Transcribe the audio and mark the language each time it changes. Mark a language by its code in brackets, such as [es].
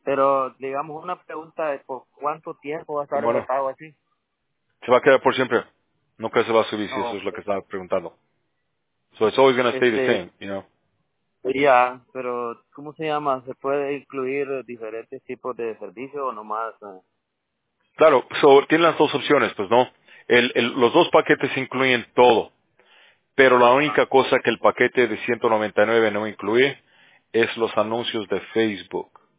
[es] Pero, digamos, una pregunta es, ¿por cuánto tiempo va a estar el pago así? Se va a quedar por siempre. Nunca se va a subir, no. Si eso es lo que estaba preguntando. [en] So, it's always going to stay the same, you know. [es] Ya, yeah, pero, ¿cómo se llama? ¿Se puede incluir diferentes tipos de servicios o nomás? Claro, so, tiene las dos opciones, pues, ¿no? Los dos paquetes incluyen todo. Pero la única cosa que el paquete de $199 no incluye es los anuncios de Facebook.